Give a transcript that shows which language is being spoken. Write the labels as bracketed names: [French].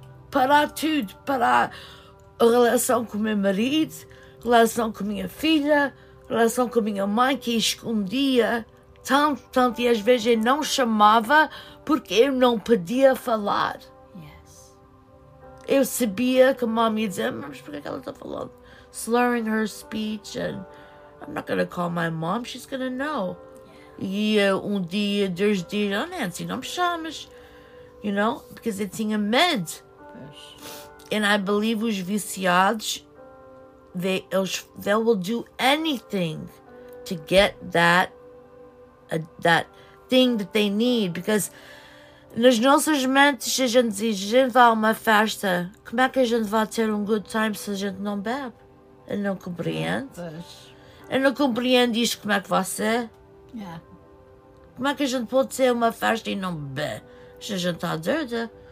[Portuguese] Parou a relação com o meu marido, relação com a minha filha, relação com a minha mãe, que escondia tanto, e às vezes eu não chamava porque eu não podia falar. Eu sabia que a mamãe ia dizer, mas por que ela está falando? [English] Slurring her speech, and I'm not going to call my mom, she's going to know. Yeah. [Portuguese] E dia, dois dias, oh Nancy, não me chamas, [English] you know, because [Portuguese] eu tinha medo. [English] Yes. And I believe [Portuguese] os viciados, [English] they will do anything to get that thing that they need, because... [Portuguese] Nas nossas mentes, a gente diz, a gente vai a uma festa, como é que a gente vai ter um [English] good time [Portuguese] se a gente não bebe? Eu não compreendo. Eu não compreendo isto, como é que vai ser? Como é que a gente pode ter uma festa e não bebe? A gente está doida.